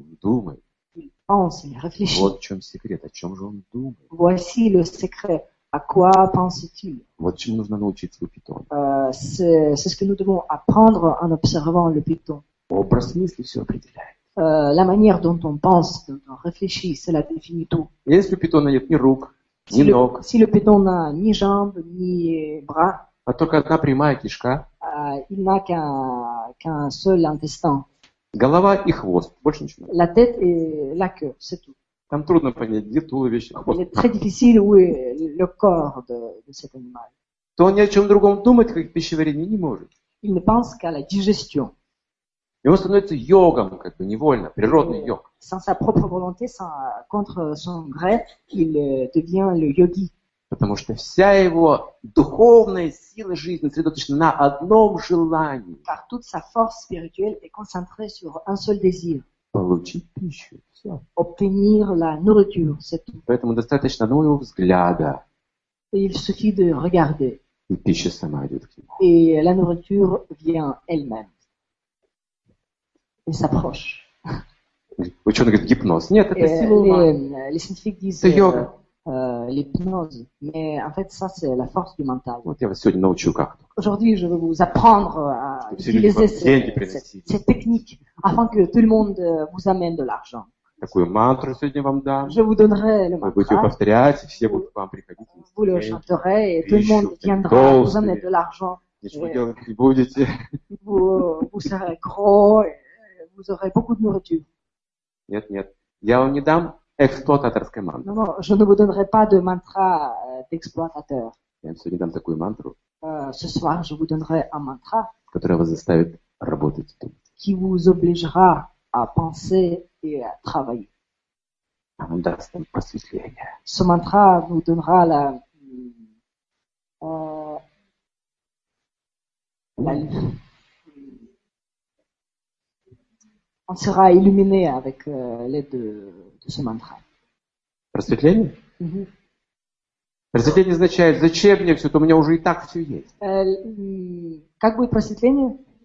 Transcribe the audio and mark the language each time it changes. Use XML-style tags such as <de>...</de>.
<ru>Думает.</ru> <fr>Pense, il réfléchit.</fr> <ru>Вот в чем секрет, о чем же он думает.</ru> <fr>Voici le secret. À quoi penses-tu?</fr> <ru>Вот чему нужно научиться у питона.</ru> <fr>C'est ce que nous devons apprendre en observant le python.</fr> <ru>Образ мысли все определяет.</ru> <fr>La manière dont on pense, dont on réfléchit, cela définit tout.</fr> <ru>Если у питона нет ни рук, ни ног.</ru> <fr>Si le python n'a ni jambes, ni bras.</fr> <ru>А только одна прямая кишка.</ru> <fr>Il n'a qu'un seul intestin.</fr> <ru>Голова и хвост, больше ничего.</ru> <fr>La tête et la queue, c'est tout.</fr> <ru>Там трудно понять, где туловище, хвост.</ru> <fr>Il est très difficile où est le corps de cet animal.</fr> <ru>То он ни о чем другом думать, как пищеварение, не может.</ru> <fr>Il ne pense qu'à la digestion.</fr> <ru>И он становится йогом, как бы невольно, природный йог.</ru> <fr>Sans sa propre volonté, sans contre son gré, il devient le yogi.</fr> <ru>Потому что вся его духовная сила жизни сосредоточена на одном желании.</ru> <fr>Car toute sa force spirituelle est concentrée sur un seul désir.</fr> <ru>Получить пищу. Все.</ru> <fr>Obtenir la nourriture. C'est tout.</fr> <ru>Поэтому достаточно одного его взгляда.</ru> <fr>Et il suffit de regarder.</fr> <ru>И пища сама идет к нему.</ru> <fr>Et la nourriture vient elle-même. Et s'approche.</fr> <ru>Ученый говорит, гипноз. Нет, это сила ума.</ru> <fr>Les scientifiques disent,</fr> <ru>это йога.</ru> <fr>L'hypnose, mais en fait ça c'est la force du mental. Aujourd'hui je vais vous apprendre à utiliser cette technique afin que tout le monde vous amène de l'argent. Je vous donnerai le mantra, vous le chanterez et tout le monde viendra vous amener de l'argent. Vous serez gros et vous aurez beaucoup de nourriture.</fr> <ru>Нет, нет, я вам не дам. Эксплуататорская мантра.</ru> <fr>Non, je ne vous donnerai pas de mantra d'exploitateur.</fr> <ru>Я вам сегодня дам такую мантру.</ru> <fr>Ce soir, je vous donnerai un mantra.</fr> <ru>Которая вас заставит работать и думать.</ru> <fr>Qui vous obligera à penser et à travailler.</fr> <ru>Она даст вам просветление.</ru> <fr>Ce mantra vous donnera On sera illuminé avec l'aide de ce mantra.</fr> <ru>Просветление? Mm-hmm. Просветление означает, зачем мне все, то у меня уже и так все есть. Как будет просветление?</ru>